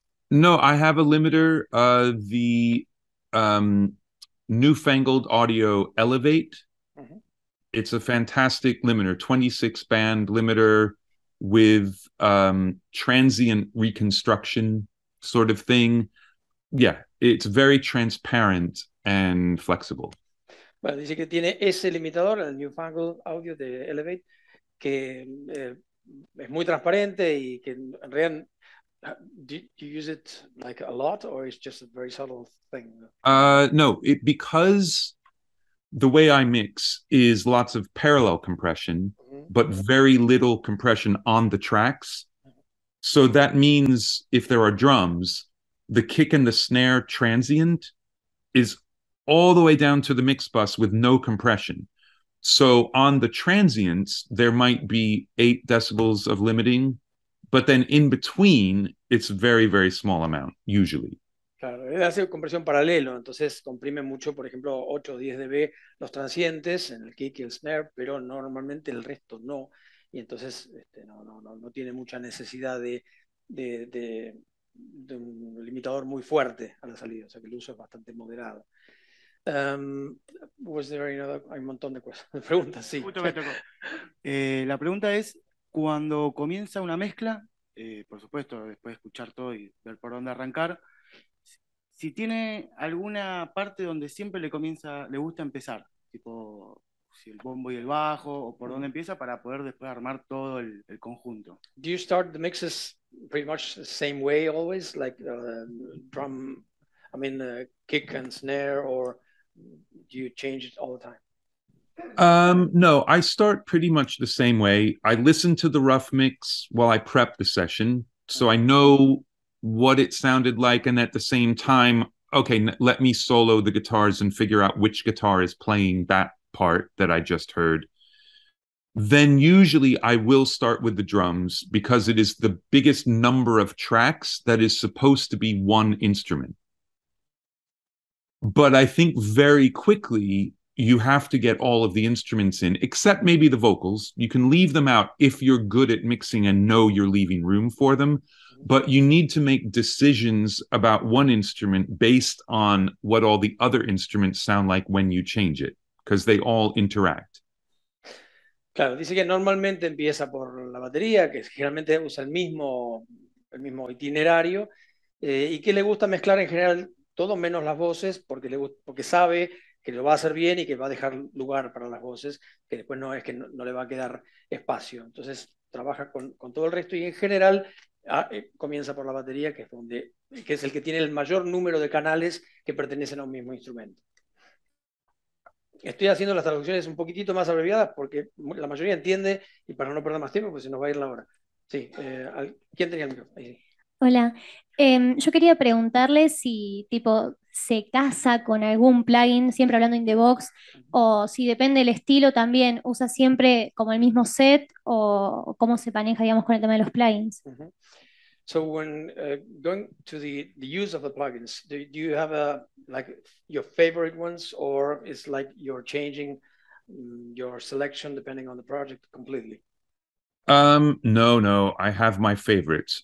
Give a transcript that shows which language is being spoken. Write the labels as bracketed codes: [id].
[en] No, I have a limiter, the Newfangled Audio Elevate. Mm-hmm. It's a fantastic limiter, 26 band limiter with transient reconstruction sort of thing. Yeah, it's very transparent and flexible. [es] Bueno, dice que tiene ese limitador, el Newfangled Audio de Elevate, que es muy transparente y que en realidad, [en] do you use it like a lot or is just a very subtle thing? No, because the way I mix is lots of parallel compression, but very little compression on the tracks. So that means if there are drums, the kick and the snare transient is all the way down to the mix bus with no compression. So on the transients, there might be 8 decibels of limiting, but then in between, it's very, very small amount, usually. [es] Claro, él hace compresión paralelo, entonces comprime mucho, por ejemplo, 8 o 10 dB los transientes en el kick y el snare, pero normalmente el resto no, y entonces no tiene mucha necesidad de un limitador muy fuerte a la salida, o sea que el uso es bastante moderado. [en] Was there another, [es] hay un montón de cosas, preguntas, sí. Justo me tocó. La pregunta es, cuando comienza una mezcla, por supuesto, después de escuchar todo y ver por dónde arrancar, si tiene alguna parte donde siempre le gusta empezar, tipo si el bombo y el bajo, o por dónde empieza para poder después armar todo el conjunto. [en] Do you start the mixes pretty much the same way always, like drum, I mean kick and snare, or do you change it all the time? No, I start pretty much the same way. I listen to the rough mix while I prep the session, so I know what it sounded like, and at the same time, okay, let me solo the guitars and figure out which guitar is playing that part that I just heard. Then usually I will start with the drums because it is the biggest number of tracks that is supposed to be one instrument. But I think very quickly you have to get all of the instruments in, except maybe the vocals. You can leave them out if you're good at mixing and know you're leaving room for them. But you need to make decisions about one instrument based on what all the other instruments sound like when you change it, because they all interact. [es] Claro, dice que normalmente empieza por la batería, que generalmente usa el mismo itinerario, y que le gusta mezclar en general todo menos las voces, porque sabe que lo va a hacer bien y que va a dejar lugar para las voces, que después no es que no le va a quedar espacio. Entonces trabaja con todo el resto y en general comienza por la batería, que es el que tiene el mayor número de canales que pertenecen a un mismo instrumento. Estoy haciendo las traducciones un poquitito más abreviadas porque la mayoría entiende y para no perder más tiempo, pues se nos va a ir la hora. Sí, ¿quién tenía el micrófono? Ahí, sí. Hola, yo quería preguntarle si tipo se casa con algún plugin, siempre hablando [en] in the box, [es] o si depende del estilo también, usa siempre como el mismo set, o cómo se maneja, digamos, con el tema de los plugins. Mm-hmm. [en] So when going to the use of the plugins, do you have your favorite ones, or is like you're changing your selection depending on the project completely? No, I have my favorites.